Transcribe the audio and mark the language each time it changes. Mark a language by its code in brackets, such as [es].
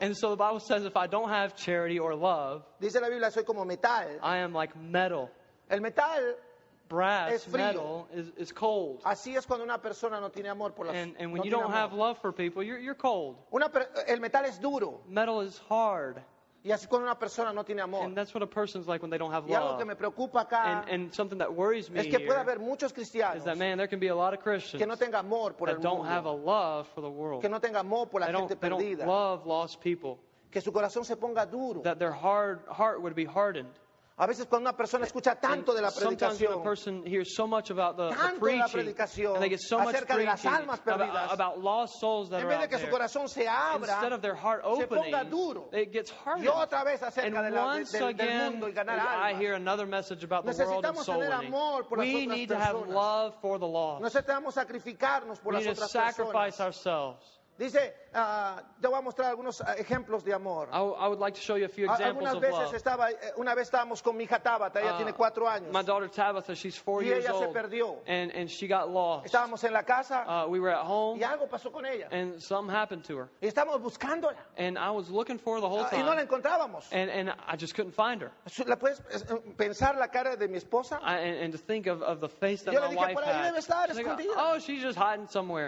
[en] and so the Bible says if I don't have charity or love, [es] dice la Biblia, soy como metal. [en] I am like metal. [es] El metal, [en] brass, [es] es frío. [en] Metal is cold. [es] Así es cuando una persona no tiene amor por las personas. [en] And when [es] no [en] you don't [es] amor. [en] Have love for people, you're cold. [es] El metal es duro. [en] Metal is hard. [es] Y así cuando una persona no tiene amor. [en] And that's what a person's like when they don't have love. [es] Y algo que me preocupa acá, [en] and something that worries me [es] es que [en] here [es] puede haber muchos cristianos [en] is that, man, there can be a lot of Christians [es] que no tenga amor por [en] that [es] el mundo. [en] Don't have a love for the world. [es] Que no tenga amor por la [en] they, don't, [es] gente perdida. [en] They don't love lost people. [es] Que su corazón se ponga duro. [en] That their heart would be hardened. [es] A veces cuando una persona escucha tanto [en] and [es] de la predicación, [en] sometimes when a person hears so much about the preaching, [es] de la [en] and they get so much [es] de las almas perdidas, [en] about lost souls that [es] en [en] are [es] vez de [en] out [es] que su corazón [en] there, [es] se abra, [en] instead of their heart opening, [es] duro, [en] it gets harder. [es] Y otra vez acerca [en] and [es] de la, [en] once [es] del, [en] again, [es] del mundo y ganar almas. [en] I hear another message about the world and soul [es] tener amor por [en] we [es] las otras [en] need [es] personas. [en] To have love for the lost. [es] Necesitamos sacrificarnos por [en] we [es] las [en] need [es] otras [en] to sacrifice [es] personas. [en] Ourselves. [es] Dice, te voy a mostrar algunos ejemplos de amor. [en] I would like to show you a few examples [es] algunas veces [en] of love. [es] Estaba, una vez estábamos con mi hija Tabata, ella tiene 4 años. [en] My daughter Tabata, she's 4 years old. [es] Y ella se [en] old, [es] perdió. [en] And she got lost. [es] Estábamos en la casa. [en] We were at home. [es] Y algo pasó con ella. [en] And something happened to her. [es] Y estábamos buscándola. [en] And I was looking for her the whole time. [es] Y no la encontrábamos. [en] And I just couldn't find her. [es] ¿La puedes pensar la cara de mi esposa? [en] And to think of the face that [es] yo le [en] my [es] dije, [en] wife [es] por ahí [en] had. [es] Debe estar [en] she's [es] escondida. [en] Like, oh, she's just hiding somewhere.